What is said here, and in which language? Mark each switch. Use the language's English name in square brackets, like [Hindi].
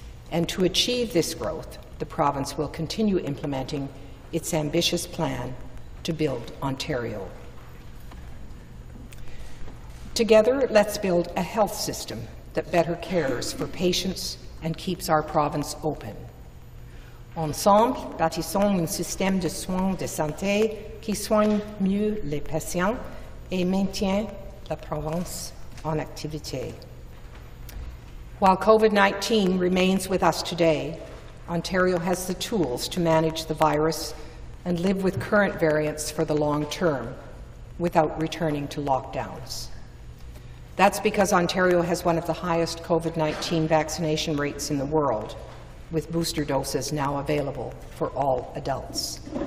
[English] And to achieve this growth, the province will continue implementing its ambitious plan to build Ontario. Together, let's build a health system that better cares for patients and keeps our province open. [French] Ensemble, bâtissons un système de soins de santé qui soigne mieux les patients et maintient la province en activité. [English] While COVID-19 remains with us today, Ontario has the tools to manage the virus and live with current variants for the long term without returning to lockdowns. That's because Ontario has one of the highest COVID-19 vaccination rates in the world, with booster doses now available for all adults.